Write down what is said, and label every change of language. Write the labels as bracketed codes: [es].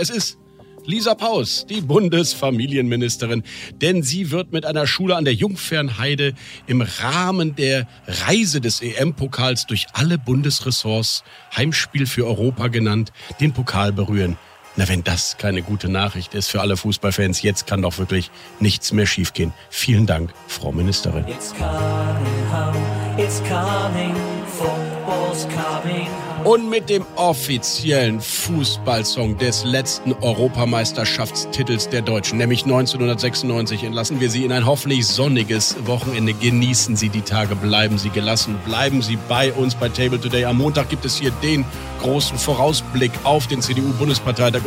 [de] Es ist Lisa Paus, die Bundesfamilienministerin, denn sie wird mit einer Schule an der Jungfernheide im Rahmen der Reise des EM-Pokals durch alle Bundesressorts, Heimspiel für Europa genannt, den Pokal berühren. Na, wenn das keine gute Nachricht ist für alle Fußballfans, jetzt kann doch wirklich nichts mehr schiefgehen. Vielen Dank, Frau Ministerin. [en] It's coming home, it's coming, football's coming. [de] Und mit dem offiziellen Fußballsong des letzten Europameisterschaftstitels der Deutschen, nämlich 1996, entlassen wir Sie in ein hoffentlich sonniges Wochenende. Genießen Sie die Tage, bleiben Sie gelassen, bleiben Sie bei uns bei Table Today. Am Montag gibt es hier den großen Vorausblick auf den CDU-Bundesparteitag.